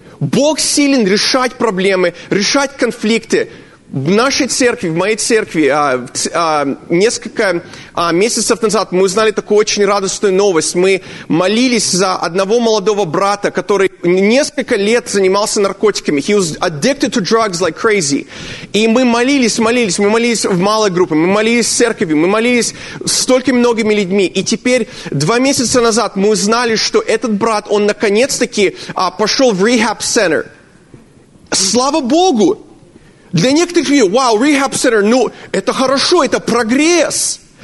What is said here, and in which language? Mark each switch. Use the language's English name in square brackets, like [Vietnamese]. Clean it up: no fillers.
[Russian] Бог силен решать проблемы, решать конфликты. В нашей церкви, в моей церкви, несколько месяцев назад мы узнали такую очень радостную новость. Мы молились за одного молодого брата, который несколько лет занимался наркотиками. [English] He was addicted to drugs like crazy. [Russian] И мы молились. Мы молились в малой группе, мы молились в церкви, мы молились столькими многими людьми. И теперь, 2 месяца назад, мы узнали, что этот брат, он наконец-таки пошел в rehab center. Слава Богу! Для некоторых людей, вау, rehab center, ну, это хорошо, это прогресс.